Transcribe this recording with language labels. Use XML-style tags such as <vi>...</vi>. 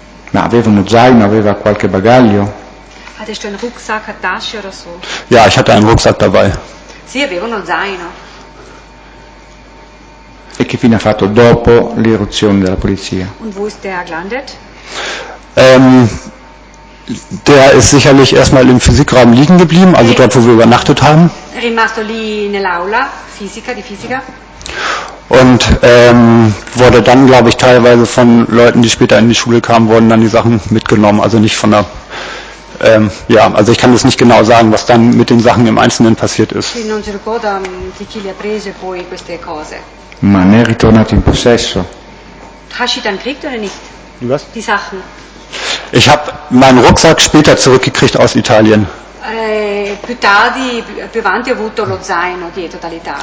<it>Ma aveva uno zaino, aveva qualche bagaglio?</it> <de>Hattest du einen Rucksack, eine Tasche oder so? Ja, ich hatte einen Rucksack dabei.</de> <it>Sì, avevo uno zaino. E che fine ha fatto dopo l'irruzione della polizia?</it> <de>Und wo ist der gelandet? Der ist sicherlich erstmal im Physikraum liegen geblieben, also dort, wo wir übernachtet haben.</de> <it>È rimasto lì nell'aula, fisica, di fisica.</it> <de>Und wurde dann, glaube ich, teilweise von Leuten, die später in die Schule kamen, wurden dann die Sachen mitgenommen. Also nicht von der, ja, also ich kann das nicht genau sagen, was dann mit den Sachen im Einzelnen passiert ist.</de> <it>Non si ricorda di chi li ha prese poi queste cose. Ma ne è ritornato in possesso.</it> <de>Hast du dann gekriegt oder nicht? Was? Die Sachen. Ich habe meinen Rucksack später zurückgekriegt aus Italien.</de> <it>Più tardi, più avanti, ho avuto lo zaino dietro dall'Italia.</it>